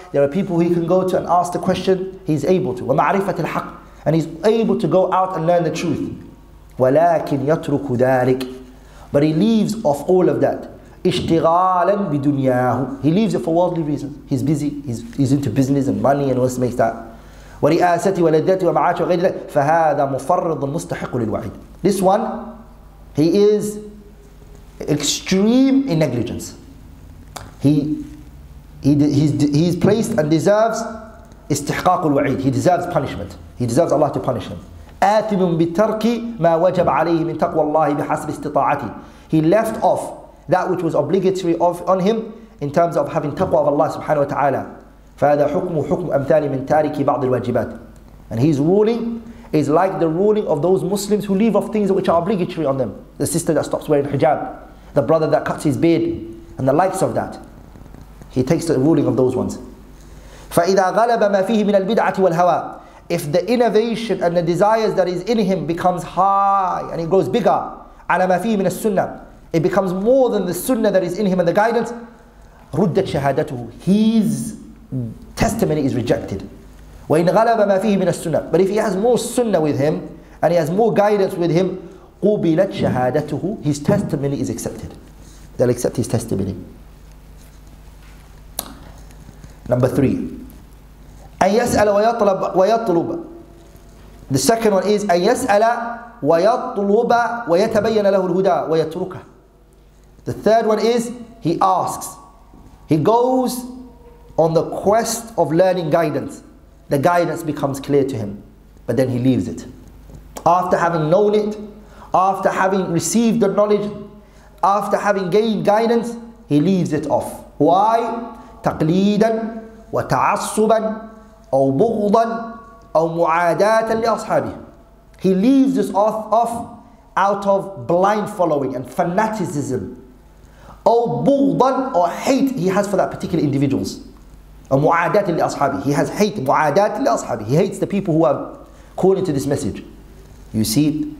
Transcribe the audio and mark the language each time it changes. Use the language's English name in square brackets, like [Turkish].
[English] There are people who he can go to and ask the question. He's able to. [Arabic] Wa ma'rifat al-haq. [English] And he's able to go out and learn the truth. [Arabic] Wa lakin yatruku dhalik. [English] But he leaves off all of that. [Arabic] اشتغالاً بدنياه. [English] He leaves it for worldly reasons. He's busy. He's into business and money and wants to make that. [Arabic] ورئاسته ولذاته ومعاشه وغير ذلك. فهذا مفرض مستحق للوعيد. [English] This one, he is extreme in negligence. He's placed and deserves [Arabic] استحقاق الوعيد. [English] He deserves punishment. He deserves Allah to punish him. [Arabic] آثم بترك ما وجب عليه من تقوى الله بحسب استطاعته. [English] He left off that which was obligatory of, on him in terms of having taqwa of Allah subhanahu wa ta'ala. [Arabic] فَهَذَا حُكْمُ حُكْمُ أَمْثَالِ مِنْ تَارِكِ بَعْضِ الْوَاجِبَاتِ. [English] And his ruling is like the ruling of those Muslims who leave off things which are obligatory on them. The sister that stops wearing hijab, the brother that cuts his beard, and the likes of that. He takes the ruling of those ones. [Arabic] فَإِذَا غَلَبَ مَا فِيهِ مِنَ الْبِدْعَةِ وَالْهَوَىٰ. [English] If the innovation and the desires that is in him becomes high and it grows bigger, [Arabic] عَلَى مَا فِيهِ مِنَ السُنَّةِ, [English] it becomes more than the sunnah that is in him and the guidance, [Arabic] رُدَّتْ شَهَادَتُهُ, [English] his testimony is rejected. [Arabic] وَإِنْ غَلَبَ مَا فِيهِ مِنَ السُنَّةِ. [English] But if he has more sunnah with him and he has more guidance with him, [Arabic] قُبِلَتْ شَهَادَتُهُ, [English] his testimony is accepted. They'll accept his testimony. Number three, [Arabic] أن يسأل ويطلب ويطلب. [English] The second one is [Arabic] أن يسأل ويطلب ويتبين له الهدى ويتركه. [English] The third one is he asks, he goes on the quest of learning guidance. The guidance becomes clear to him, but then he leaves it. After having known it, after having received the knowledge, after having gained guidance, he leaves it off. Why? [Arabic] تقليداً وتعصباً أو بغضاً أو معاداتاً لأصحابه. [English] He leaves this off out of blind following and fanaticism. [Arabic] أو بغضاً, [English] or hate he has for that particular individuals. [Arabic] أو معاداتاً لأصحابه. [English] He has hate, [Arabic] معاداتاً لأصحابه. [English] He hates the people who are calling to this message. You see?